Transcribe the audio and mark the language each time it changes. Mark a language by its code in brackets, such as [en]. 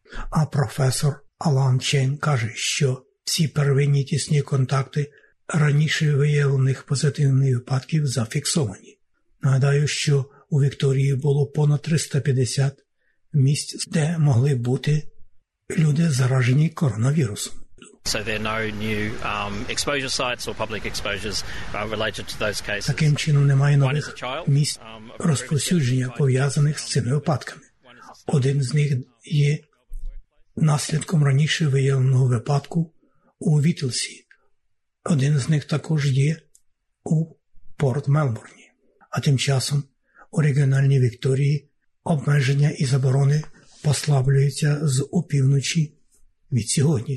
[uk] А професор Алан Чен каже, що всі первинні тісні контакти раніше виявлених позитивних випадків зафіксовані. Нагадаю, що у Вікторії було понад 350 місць, де могли бути люди, заражені коронавірусом. [en] So there are no new exposure sites or public exposures related to those cases. [uk] Таким чином, немає нових місць розповсюдження, пов'язаних з цими випадками. Один з них є наслідком раніше виявленого випадку у Вітлсі. Один з них також є у порт Мелбурні. А тим часом у регіональній Вікторії обмеження і заборони послаблюються з опівночі від сьогодні.